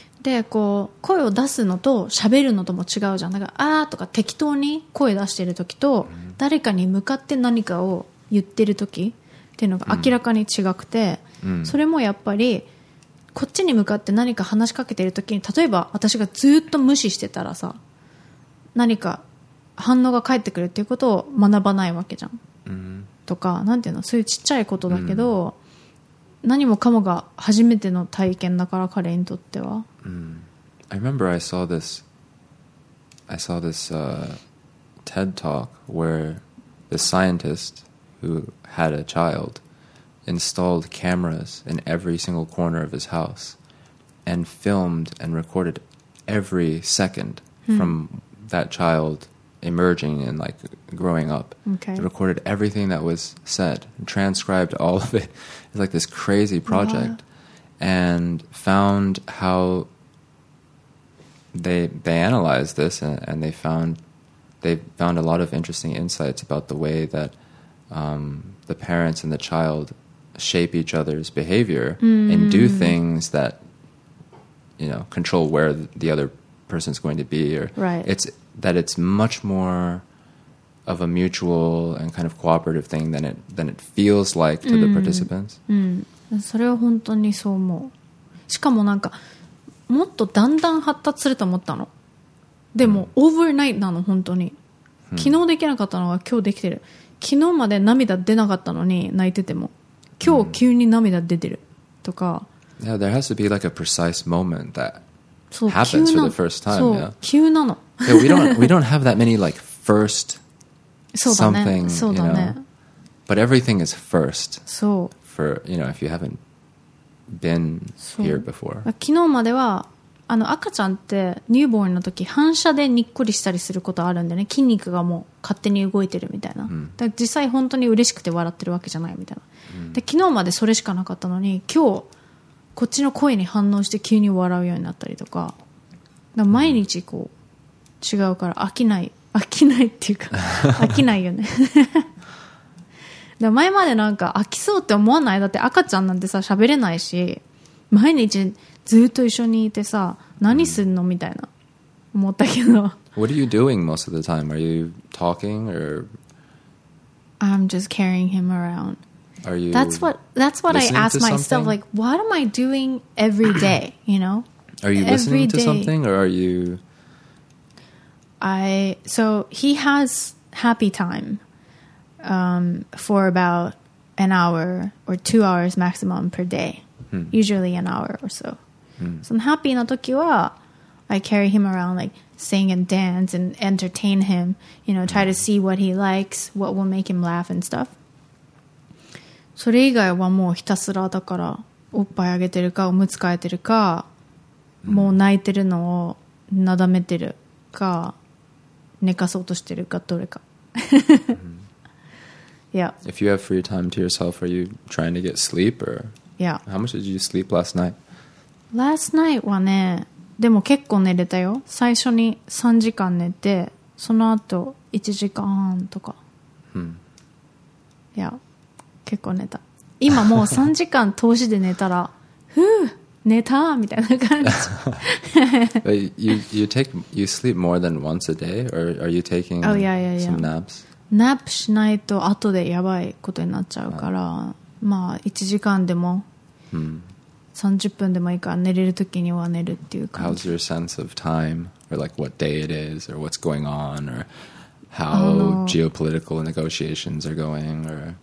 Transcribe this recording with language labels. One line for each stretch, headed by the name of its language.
Japanese: でこう声を出すのと喋るのとも違うじゃん。だからあーとか適当に声出してる時と、誰かに向かって何かを言ってる時っていうのが明らかに違くて、それもやっぱりこっちに向かって何か話しかけてる時に、例えば私がずっと無視してたらさ、何か反応が返ってくるっていうことを学ばないわけじゃん、とかなんていうの、そういうちっちゃいことだけど、何もかもが初めての体験だから彼にとっては。
English: I remember I saw this TED talk where the scientist who had a child installed cameras in every single corner of his house and filmed and recorded every second from that child emerging and like growing up. Okay. I recorded everything that was said and transcribed all of it. It's like this crazy project. Wow. And found how they analyzed this, and they found a lot of interesting insights about the way that the parents and the child shape each other's behavior and do things that, you know, control where the other person's going to be, or it's much more of a mutual and kind of cooperative thing than it feels like to the participants. Mm.
Japanese: それは本当にそう思う。しかもなんかもっとだんだん発達すると思ったの。でも、うん、オーバーナイトなの本当に、うん、昨日できなかったのが今日できてる。昨日まで涙出なかったのに泣いてても今日急に涙出てるとか、
English: うん、Yeah, there has to be like a precise moment that happens for the first time.
Japanese: そう、急なの。
English: Yeah. Yeah, we don't have that many like first
Japanese: something, そうだね。そうだね。
English: you know. But everything is first.
Japanese: そう。
English: For, you know, if you haven't been here before.
Japanese: 昨日まではあの赤ちゃんってニューボーンの時反射でにっこりしたりすることあるんでね、筋肉がもう勝手に動いてるみたいな、うん、だから実際本当に嬉しくて笑ってるわけじゃないみたいな、うん、で昨日までそれしかなかったのに今日こっちの声に反応して急に笑うようになったりと か毎日こう違うから飽きない、飽きないっていうか飽きないよね前までなんか飽きそうって思わない？だって赤ちゃんなんてさ喋れないし毎日ずっと一緒にいてさ何すんのみたいな思ったけど
English: What are you doing most of the time? Are you talking or? I'm just carrying him around. Are you That's what I ask myself, like what am I doing every day, you know? Are you listening to something or are you? So he has happy time. For about an hour or 2 hours maximum per day, usually an hour or so. So happy
Japanese: na toki wa,
English: I carry him around, like sing and dance and entertain him. You know, try to see what he likes, what will make him laugh and stuff.
Japanese: それ以外はもうひたすらだから、おっぱいあげてるかおむつ替えてるか、もう泣いてるのをなだめてるか、寝かそうとしてるかどれか。
English: Yeah. If you have free time to yourself, are you trying to get sleep or? Yeah. How much did you sleep last night? Last night
Japanese: はね、でも結構寝れたよ。最初に3時間寝て、その後1時間とか。 Yeah. 結構寝た。今もう3時間通しで寝たら、ふぅ、寝たみたいな感じ。
English: But you sleep more than once a day or are you taking some naps?
Japanese: ナップしないと後でやばいことになっちゃうから、まあ1時間でも30分でもいいから寝れるときには寝るっていう感じ。
English: How's your sense of time? Or like what day it is? Or what's going on? Or how geopolitical negotiations are going? Or...